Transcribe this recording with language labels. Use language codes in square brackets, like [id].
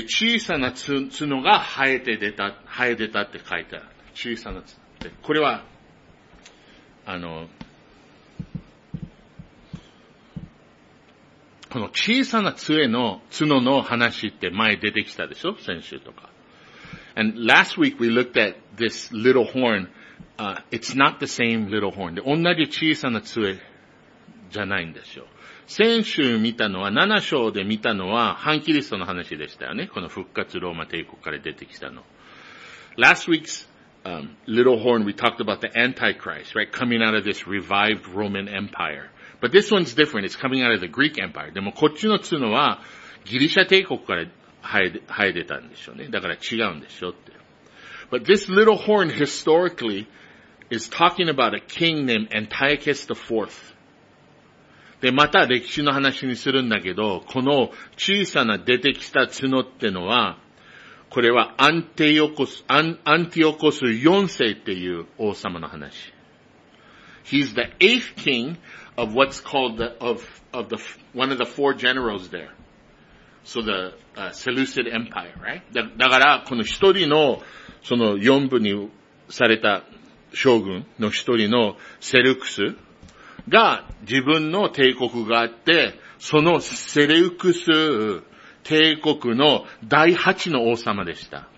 [ja] で、小さな角が生え出たって書いてある。小さな角って。これは、この小さな角の話って前出てきたでしょ？先週とか。 [en] And last week we looked at this little horn. It's not the same little horn. [ja] で、同じ小さな杖じゃないんですよ。先週見たのは、7章で見たのは、反キリストの話でしたよね。この復活ローマ帝国から出てきたの。 [en] Last week's, little horn, we talked about the Antichrist, right? Coming out of this revived Roman Empire. But this one's different. It's coming out of the Greek Empire. [ja] でもこっちの角は、ギリシャ帝国から生え出たんでしょうね。だから違うんでしょって。 [en] But this little horn, historically, is talking about a king named Antiochus the Fourth. [ja] で、また歴史の話にするんだけど、この小さな出てきた角ってのは、これはアンティオコス4世っていう王様の話。 [en] He's the eighth king of what's called one of the four generals there. So the, Seleucid Empire, right? [ja] だから、この一人の、その四分にされた将軍の一人のセルクス、が、自分の帝国があって、そのセレウクス帝国の第八の王様でした。